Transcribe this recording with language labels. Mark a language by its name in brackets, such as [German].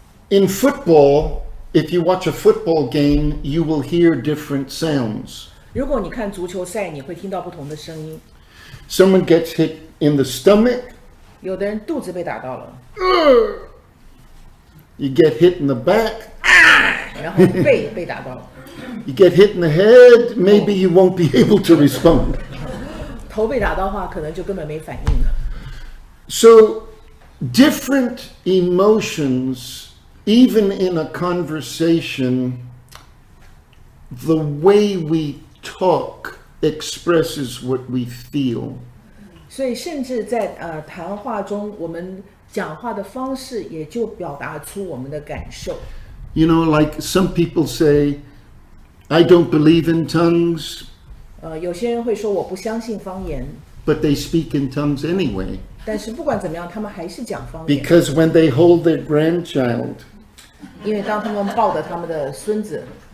[English] In football, if you watch a football game, you will hear different sounds. [Chinese] 如果你看足球赛，你会听到不同的声音。 [English] Someone gets hit in the stomach. [Chinese] 有的人肚子被打到了。 [English] You get hit in the back. [Chinese] 然后背打到了。 [English] You get hit in the head. Maybe you won't be able to respond. [Chinese] 头被打到的话，可能就根本没反应了。 [English] So, different emotions, even in a conversation, the way we talk. Expresses what we feel. [Chinese] 所以甚至在谈话中，我们讲话的方式也就表达出我们的感受。 [English] You know, like some people say, I don't believe in tongues. [Chinese] 有些人会说我不相信方言。 [English] But they speak in tongues anyway. [Chinese] 但是不管怎么样，他们还是讲方言。 [English] Because when they hold their grandchild, [Chinese] 因为当他们抱着他们的孙子。